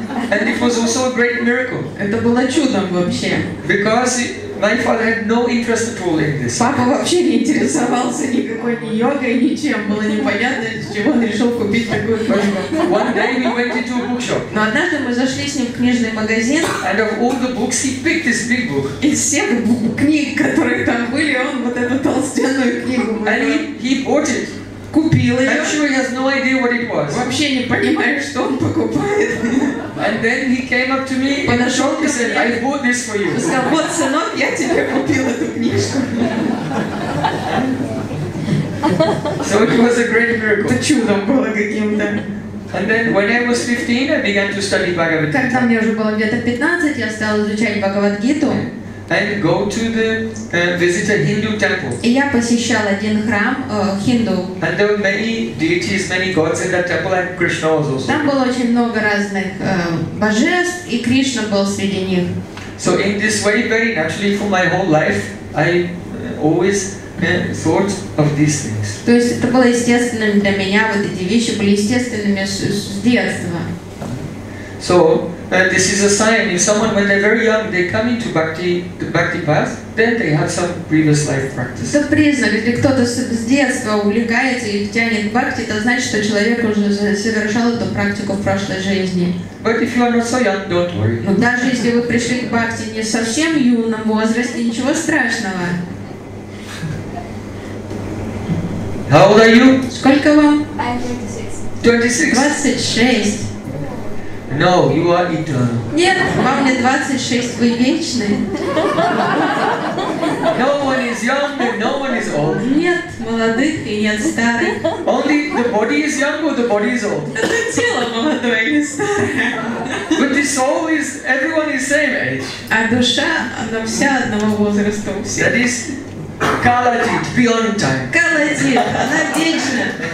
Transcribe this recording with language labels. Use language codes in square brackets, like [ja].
[en] And it was also a great miracle. [ru] Это было чудом вообще. [en] Because my father had no interest at all in this. [ru] Папа вообще не интересовался никакой ни йогой, ничем. Было непонятно, с чего он решил купить такую книгу. [en] One day we went into a bookshop. [ru] Но однажды мы зашли с ним в книжный магазин. [en] And of all the books, he picked this big book. [ru] Из всех книг, которые там были, он вот эту толстенную книгу. [en] And he bought it. [ru] Купил ее. [en] I'm sure he has no idea what it was. [ru] Вообще не понимает, что он покупает. [en] And then he came up to me in the shop and said, I bought this for you. [ru] Сказал, вот, сынок, я тебе купил эту книжку. [en] So it was a great miracle. [ru] Это чудом было каким-то. [en] And then when I was 15, I began to study Bhagavad Gita. [ru] Когда мне уже было где-то 15, я стал изучать Бхагавад-гиту. [en] and go to the visit a Hindu temple. [ru] И я посещал один храм хинду. [en] And there were many deities, many gods in that temple, and Krishna was also. [ru] Там было очень много разных божеств, и Кришна был среди них. [en] So in this way, very naturally, for my whole life, I always thought of these things. [ru] То есть это было естественным для меня, вот эти вещи были естественными с детства. [en] So this is a sign. If someone, when they're very young, they come into bhakti path, then they have some previous life practice. [ru] Это признак, если кто-то с детства увлекается и тянет бхакти, это значит, что человек уже совершал эту практику в прошлой жизни. [en] But if you are not so young, don't worry. [ru] Но даже если вы пришли к бхакти не совсем юном возрасте, ничего страшного. [en] How old are you? [ru] Сколько вам? [en] I'm 26. 26. 26. No, you are eternal. [ru] Нет, вам не 26, вы вечны. [en] No one is young and no one is old. [ru] Нет молодых и нет старых. [en] Only the body is young or the body is old. [ru] Это тело молодое или старое. [en] But the soul is, everyone is same age. [ru] А душа, она вся одного возраста у всех. [en] That is Kalajit, beyond time. [ru] Kalajit, она вечна.